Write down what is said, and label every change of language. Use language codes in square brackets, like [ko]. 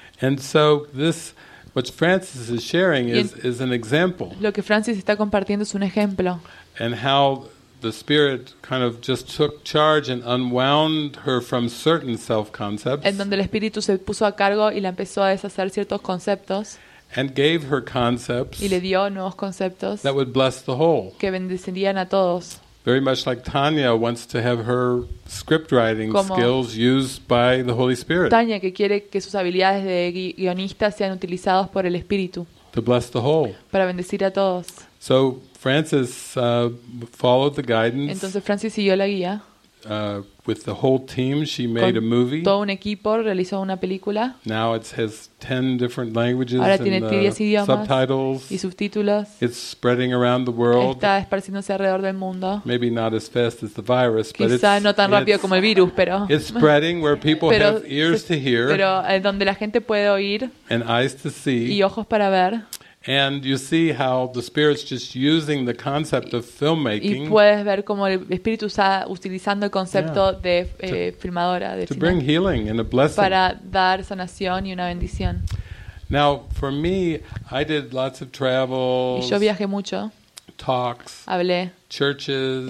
[en] And so this what Francis is sharing is an example. [es] Lo que Francis está compartiendo es un ejemplo. [en] And how the Spirit kind of just took charge and unwound her from certain self-concepts. [es] En donde el Espíritu se puso a cargo y la empezó a deshacer ciertos conceptos. [en] And gave her concepts. [es] Y le dio nuevos conceptos. [en] That would bless the whole. [es] Que bendecirían a todos. [en] Very much like Tanya wants to have her script writing skills used by the Holy Spirit. [es] Tanya que quiere que sus habilidades de guionista sean utilizadas por el Espíritu. [en] To bless the whole. [es] Para bendecir a todos. [en] So Francis followed the guidance. [es] Entonces Francis siguió la guía. [en] With the whole team, she made a movie. [es] Con todo un equipo realizó una película. [en] Now it has 10 different languages. [es] Ahora tiene 10 idiomas. [en] Subtitles. [es] Y subtítulos. [en] It's spreading around the world. [es] Está esparciéndose alrededor del mundo. [en] Maybe not as fast as the virus, [es] quizá [en] but it's. [es] Quizá no tan rápido como el virus, pero. [en] It's spreading where people [es] pero, [en] have ears to hear. [es] Pero donde la gente puede oír. [en] And eyes to see. [es] Y ojos para ver. [en] And you see how the Spirit's just using the concept of filmmaking. [es] Y puedes ver cómo el Espíritu está utilizando el concepto yeah, de filmadora de [en] cine. To bring healing and a blessing. [es] Para dar sanación y una bendición. [en] Now, for me, I did lots of travels. [es] Y yo viajé mucho. [en] Talks. [es] Hablé. [en] Churches.